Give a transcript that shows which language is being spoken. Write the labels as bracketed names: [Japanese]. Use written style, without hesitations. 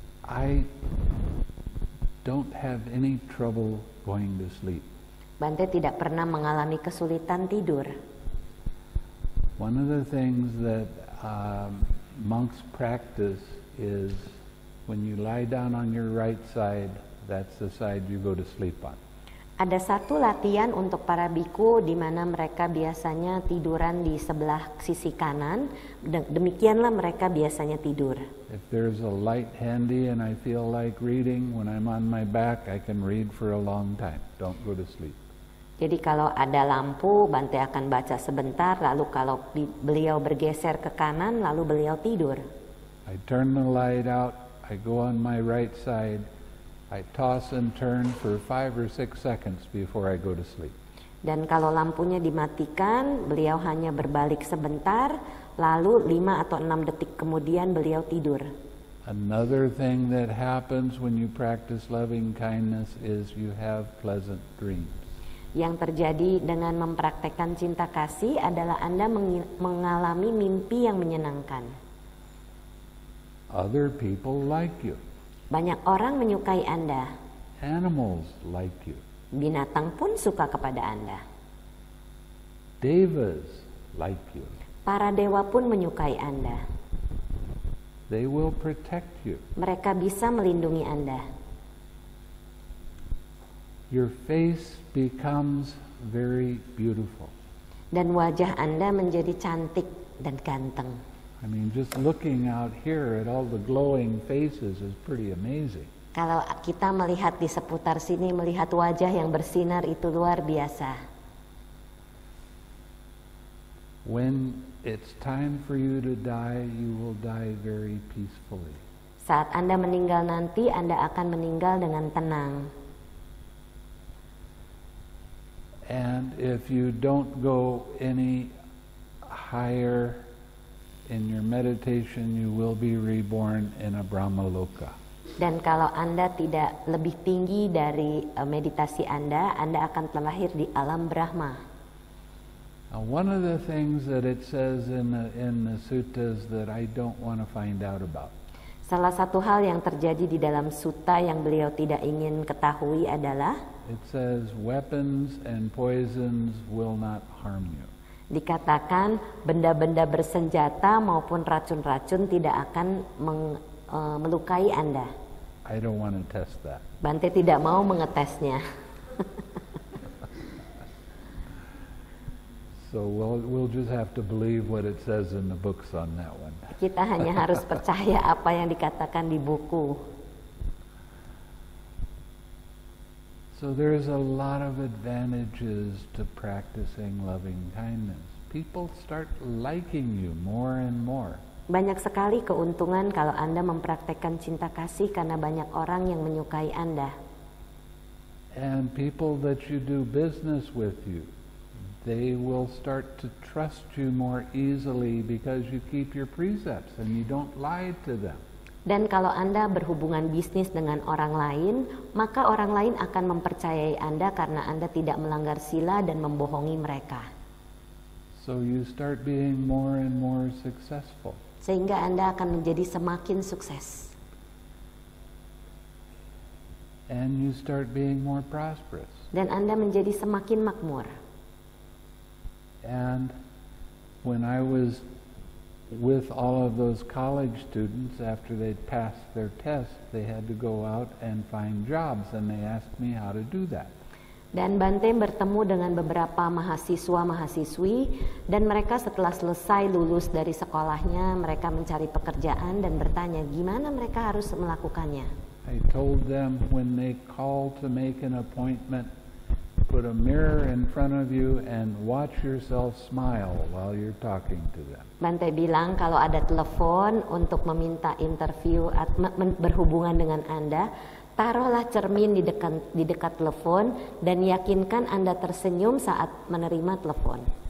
[English] I don't have any trouble going to sleep. [Indonesian] Bante tidak pernah mengalami kesulitan tidur. [English] One of the things that monks practice is when you lie down on your right side, that's the side you go to sleep on. [Indonesian] Ada satu latihan untuk para biku di mana mereka biasanya tiduran di sebelah sisi kanan. Demikianlah mereka biasanya tidur. [English] If there's a light handy and I feel like reading, when I'm on my back, I can read for a long time. Don't go to sleep. [Indonesian] Jadi kalau ada lampu, Bante akan baca sebentar, lalu kalau beliau bergeser ke kanan, lalu beliau tidur. [English] I turn the light out, I go on my right side, I toss and turn for 5 or 6 seconds before I go to sleep. [Indonesian] Dan kalau lampunya dimatikan, beliau hanya berbalik sebentar, lalu 5 atau 6 detik kemudian beliau tidur. [English] Another thing that happens when you practice loving kindness is you have pleasant dreams. [Indonesian] Yang terjadi dengan mempraktekkan cinta kasih adalah Anda mengalami mimpi yang menyenangkan. [English] Other people like you. [Indonesian] Banyak orang menyukai Anda. [English] Animals like you. [Indonesian] Binatang pun suka kepada Anda. [English] Devas like you. [Indonesian] Para dewa pun menyukai Anda. [English] They will protect you. [Indonesian] Mereka bisa melindungi Anda. [English] Your face becomes very beautiful. [Indonesian] Dan wajah Anda menjadi cantik dan ganteng. [English] I mean, just looking out here at all the glowing faces is pretty amazing. [Indonesian] Kalau kita melihat di seputar sini, melihat wajah yang bersinar itu luar biasa. [English] When it's time for you to die, you will die very peacefully. [Indonesian] Saat Anda meninggal nanti, Anda akan meninggal dengan tenang. [English] And if you don't go any higher in your meditation, you will be reborn in a Brahmaloka. [Indonesian] Dan kalau Anda tidak lebih tinggi dari meditasi Anda, Anda akan terlahir di alam Brahma. [English] Now, one of the things that it says in the suttas that I don't want to find out about. [Indonesian] Salah satu hal yang terjadi di dalam sutta yang beliau tidak ingin ketahui adalah. [English] It says weapons and poisons will not harm you. [Indonesian] Dikatakan benda-benda bersenjata maupun racun-racun tidak akan melukai Anda. [English] I don't want to test that. [Indonesian] Bante tidak mau mengetesnya. [English] So we'll just have to believe what it says in the books on that one. [Indonesian] Kita hanya harus percaya apa yang dikatakan di buku. [English] So there is a lot of advantages to practicing loving kindness. People start liking you more and more. [Indonesian] Banyak sekali keuntungan kalau Anda mempraktikkan cinta kasih karena banyak orang yang menyukai Anda. [English] And people that you do business with you, they will start to trust you more easily because you keep your precepts and you don't lie to them. [Indonesian] Dan kalau Anda berhubungan bisnis dengan orang lain, maka orang lain akan mempercayai Anda karena Anda tidak melanggar sila dan membohongi mereka. [English] So you start being more and more successful. [Indonesian] Sehingga Anda akan menjadi semakin sukses. [English] And you start being more prosperous. [Indonesian] Dan Anda menjadi semakin makmur. [English] And when I was with all of those college students, after they'd passed their test, they had to go out and find jobs, and they asked me how to do that. [Indonesian] Dan Bante bertemu dengan beberapa mahasiswa-mahasiswi, dan mereka setelah selesai lulus dari sekolahnya, mereka mencari pekerjaan dan bertanya, gimana mereka harus melakukannya? [English] I told them when they call to make an appointment, put a mirror in front of you and watch yourself smile while you're talking to them. [Indonesian] Bante bilang kalau ada telepon untuk meminta interview berhubungan dengan Anda, taruhlah cermin di dekat telepon dan yakinkan Anda tersenyum saat menerima telepon.